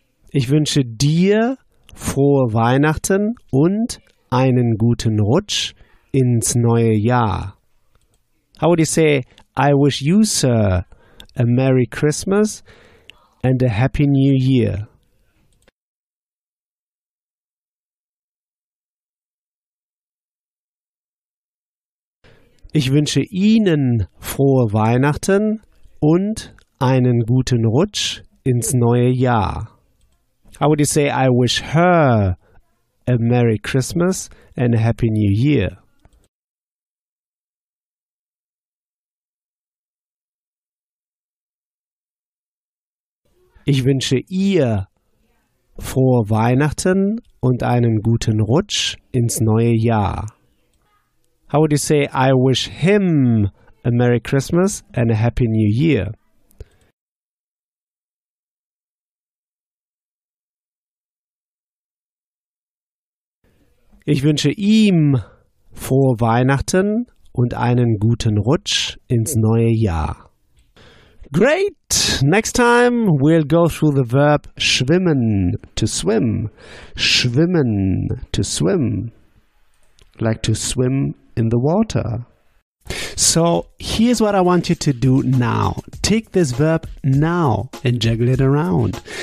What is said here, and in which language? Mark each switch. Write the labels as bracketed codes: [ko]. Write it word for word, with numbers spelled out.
[de] Ich wünsche dir frohe Weihnachten und einen guten Rutsch ins neue Jahr. [en] How would you say, I wish you, sir, a Merry Christmas and a Happy New Year? [de] Ich wünsche Ihnen frohe Weihnachten und einen guten Rutsch ins neue Jahr. [en] How would you say, I wish her a Merry Christmas and a Happy New Year? [de] Ich wünsche ihr frohe Weihnachten und einen guten Rutsch ins neue Jahr. [en] How would you say, I wish him a Merry Christmas and a Happy New Year? [de] Ich wünsche ihm frohe Weihnachten und einen guten Rutsch ins neue Jahr. [en] Great! Next time we'll go through the verb schwimmen, to swim. Schwimmen, to swim. Like to swim in the water. So here's what I want you to do now. Take this verb now and juggle it around.